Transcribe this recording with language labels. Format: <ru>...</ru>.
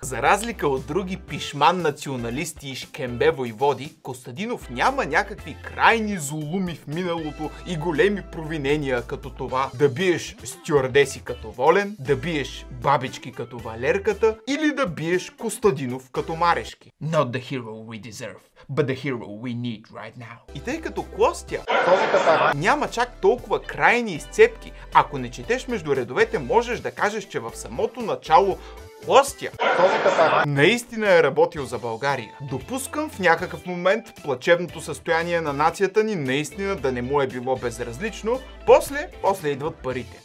<bg>За разлика от други пишман националисти и шкембе войводи, Костадинов няма някакви крайни зулуми в миналото и големи провинения като това да биеш стюардеси като Волен, да биеш бабички като Валерката или да биеш Костадинов като Марешки.</bg> <en>Not the hero we deserve, but the hero we need right now.</en> <bg>И тъй като Костя няма чак толкова крайни изцепки, ако не четеш между редовете, можеш да кажеш, че в самото начало Костя наистина е работил за България. Допускам в някакъв момент плачевното състояние на нацията ни наистина да не му е било безразлично, после идват парите.</bg>